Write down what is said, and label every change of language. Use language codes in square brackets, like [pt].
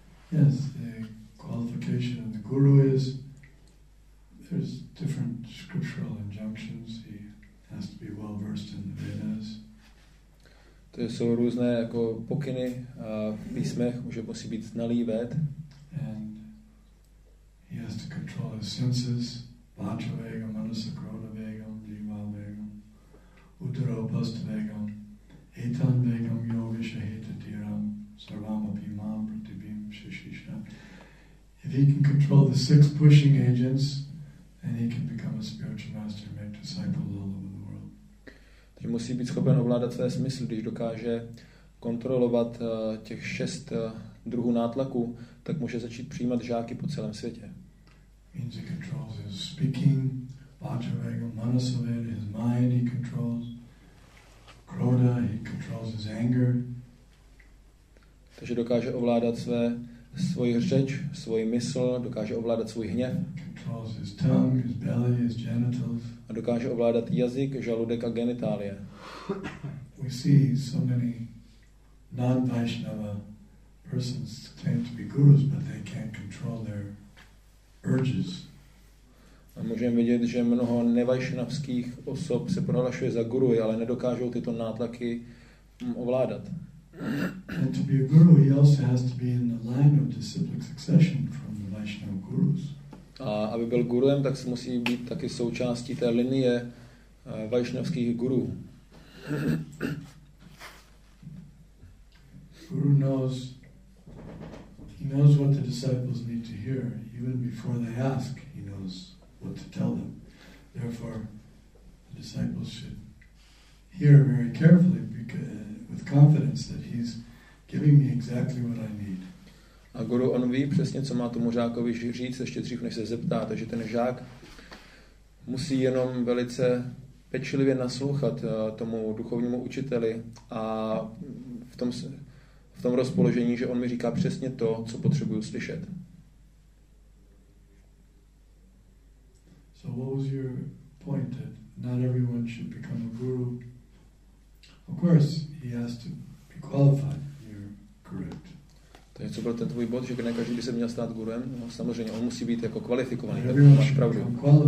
[en] Yes, the qualification of the guru is there's different scriptural injunctions. He has to be well versed in the Vedas. [cs] To jsou různé jako pokyny v písmech, že musí být znalý Ved. [en] And he has to control his senses, [sa] vajra vegam, manasa krodha vegam, jiva vegam, uttara upastha vegam, etan vegam, yoga shaheta tiram, sarvam apimam, pratibim, shishisha. [en] If he can control the six pushing agents, then he can become a spiritual master, make disciples all over. [cs] Že musí být schopen ovládat své smysly, když dokáže kontrolovat těch šest druhů nátlaku, tak může začít přijímat žáky po celém světě. [en] Means he controls his speaking, vajravega, manasavega, his mind he controls, krodha, he controls his anger. [cs] Takže dokáže ovládat svoji řeč, svoji mysl, dokáže ovládat svůj hněv. [en] Controls his tongue, his belly, his genitals. [cs] A dokáže ovládat jazyk, žaludek a genitálie. [en] We see so many non-Vaishnava persons claim to be gurus, but they can't control their urges. [cs] A můžeme vidět, že mnoho nevajšnavských osob se prohlašuje za guru, ale nedokážou tyto nátlaky ovládat. [en] And to be a guru, he also has to be in the line of disciplic succession from the Vaishnava gurus. [cs] A aby byl guruem, tak se musí být taky součástí té linie vajšnavských gurů. [en] Guru knows, he knows what the disciples need to hear. Even before they ask, he knows what to tell them. Therefore, the disciples should hear very carefully with confidence that he's giving me exactly what I need. [cs] A guru, on ví přesně, co má tomu žákovi říct, ještě dřív, než se zeptá. Takže ten žák musí jenom velice pečlivě naslouchat tomu duchovnímu učiteli a v tom rozpoložení, že on mi říká přesně to, co potřebuju slyšet. [en] So what was your point that not everyone should become a guru? Of course, he has to be qualified. You're correct. [cs] Takže co byl ten tvůj bod, že ne každý by se měl stát guruem? No samozřejmě, on musí být jako kvalifikovaný, tak máš pravdu.